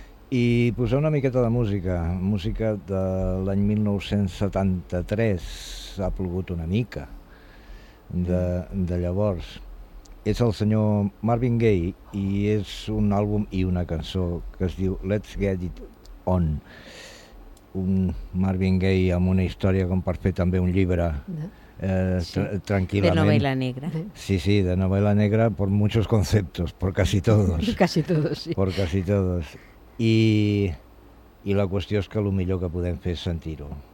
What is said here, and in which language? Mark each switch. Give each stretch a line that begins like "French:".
Catalan: I posar una miqueta de música de l'any 1973, ha plogut una mica, de llavors. És el senyor Marvin Gaye i és un àlbum i una cançó que es diu Let's Get It On. Un Marvin Gaye amb una història com per fer també un llibre, tranquil·lament. De novel·la negra.
Spanish: Sí,
Catalan: de novel·la negra
Spanish: por muchos conceptos, por casi todos. Casi todos, sí. Por casi todos.
Catalan: I la qüestió és que el millor que podem fer és sentir-ho.